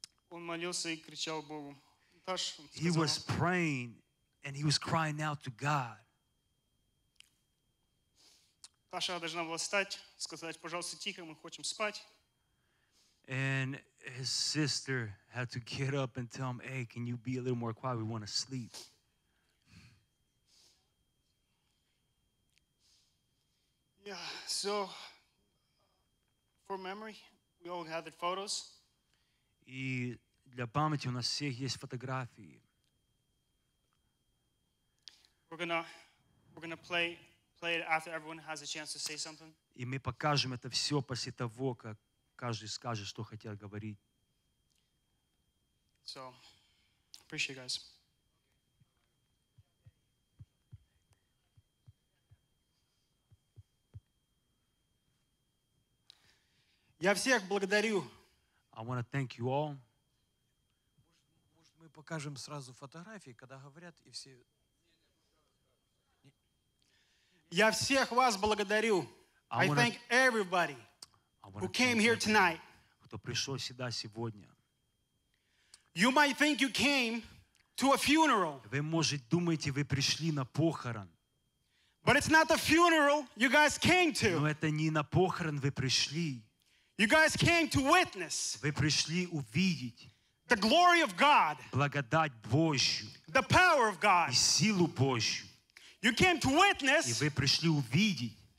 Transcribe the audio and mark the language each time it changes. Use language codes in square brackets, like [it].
[ru] Он молился и кричал Богу. [en] He was praying and he was crying out to God. [ru] Таша должна была встать, сказать, пожалуйста, тихо, мы хотим спать. [en] And his sister had to get up and tell him, hey, can you be a little more quiet? We want to sleep. Yeah, so for memory, we all have the photos. [ru] И для памяти у нас всех есть фотографии. [en] We're gonna play it after everyone has a chance to say something. [ru] И мы покажем это все после того, как каждый скажет, что хотел говорить. [en] So, appreciate you guys. [ru] Я всех благодарю. [en] I want to thank you all. [ru] Может, мы покажем сразу фотографии, когда говорят, и все... Я всех вас благодарю. [en] I thank everybody who came here tonight. [ru] Кто пришел сюда сегодня. [en] You might think you came to a funeral. [ru] Вы, может, думаете, вы пришли на похорон. [en] But it's not the funeral you guys came to. [ru] Но это не на похорон вы пришли. [en] You guys came to witness. [ru] Вы пришли увидеть. [en] The glory of God. [ru] Благодать Божью. [en] The power of God. [ru] И силу Божью. [en] You came to witness. [ru] И вы пришли увидеть.